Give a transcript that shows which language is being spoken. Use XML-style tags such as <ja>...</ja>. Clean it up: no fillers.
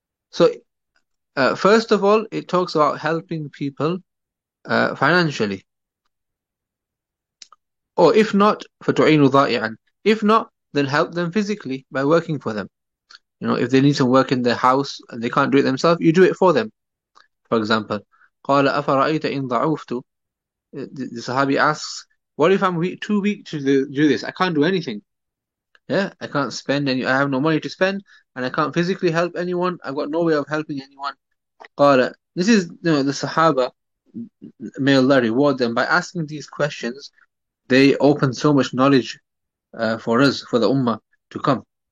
<en>So, first of all, it talks about helping people financially. Or if not,</en> <ar>فتعين ضائعا.</ar> <en>If not, then help them physically by working for them. You know, if they need some work in their house and they can't do it themselves, you do it for them. For example,</en> <ar>قال أفرأيت إن ضعفت.</ar> <en>The Sahabi asks, what if I'm too weak to do this? I can't do anything. Yeah, I can't spend any, I have no money to spend, and I can't physically help anyone. I've got no way of helping anyone. قال, this is, you know, the Sahaba, may Allah reward them, by asking these questions, they open so much knowledge for us, for the Ummah to come.</en>